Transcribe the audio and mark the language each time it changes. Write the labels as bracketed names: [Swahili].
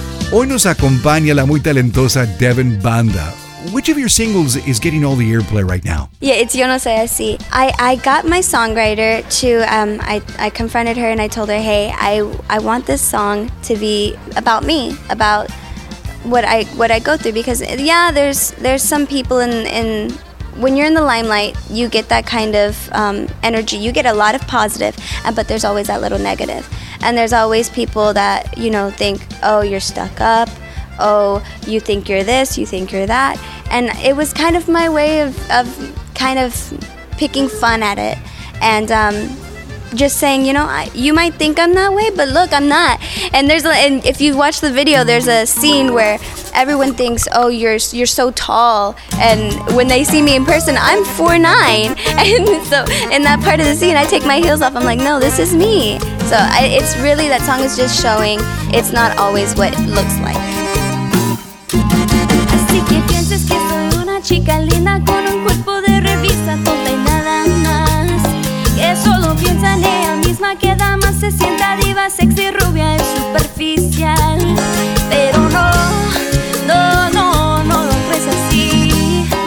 [Spanish] Hoy nos acompaña la muy talentosa Devin Banda. [English] Which of your singles is getting all the airplay right now? Yeah, it's Yo No Soy Así. I got my songwriter to, I confronted her and I told her, hey, I want this song to be about me, about what I go through. Because, yeah, there's some people in when you're in the limelight, you get that kind of energy. You get a lot of positive, but there's always that little negative. And there's always people that, you know, think, oh, you're stuck up. Oh, you think you're this, you think you're that. And it was kind of my way of kind of picking fun at it. And just saying, you know, you might think I'm that way, but look, I'm not. And if you watch the video, there's a scene where everyone thinks, oh, you're so tall. And when they see me in person, I'm 4'9". And so in that part of the scene, I take my heels off. I'm like, no, this is me. So it's really, that song is just showing it's not always what it looks like. [Spanish] Así que piensas que soy una chica linda con un cuerpo de revista, tonta y nada más. Que solo piensa en ella misma, que da más, se sienta diva, sexy, rubia y superficial. Pero no, no, no, no, no es así.